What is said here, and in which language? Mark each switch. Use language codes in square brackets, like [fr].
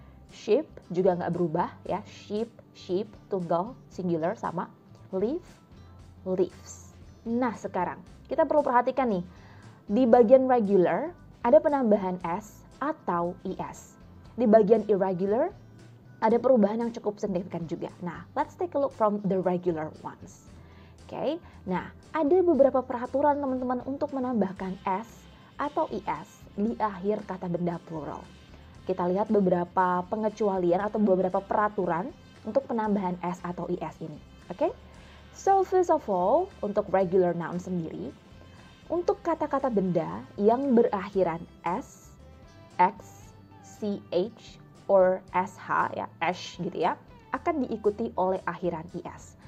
[id] Sheep juga gak berubah. Ya. Sheep, sheep, tunggal, singular, sama. Leaf, leaves. Nah sekarang, kita perlu perhatikan nih. Di bagian regular, ada penambahan S atau IS. Di bagian irregular, ada perubahan yang cukup signifikan juga. [en] Nah, let's take a look from the regular ones. Okay. [id] Nah, ada beberapa peraturan teman-teman untuk menambahkan S atau IS di akhir kata benda plural. Kita lihat beberapa pengecualian atau beberapa peraturan untuk penambahan S atau IS ini. Okay. [en] So, first of all, [id] untuk regular noun sendiri, untuk kata-kata benda yang berakhiran s, x, ch, or sh, ya, sh gitu ya, akan diikuti oleh akhiran is.